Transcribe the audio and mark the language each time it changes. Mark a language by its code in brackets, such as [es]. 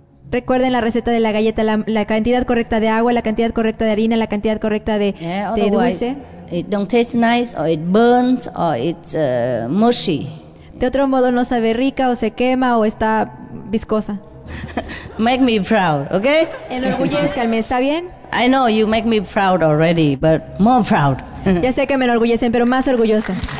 [es] Recuerden la receta de la galleta, la cantidad correcta de agua, la cantidad correcta de harina, la cantidad correcta de dulce. [en] It don't taste nice, or it burns, or it's mushy. [es] De otro modo no sabe rica, o se quema, o está viscosa. [en] Make me proud, okay? [es] Enorgullezcanme, ¿está bien? [en] I know you make me proud already, but more proud. [es] Ya sé que me enorgullecen, pero más orgullosa.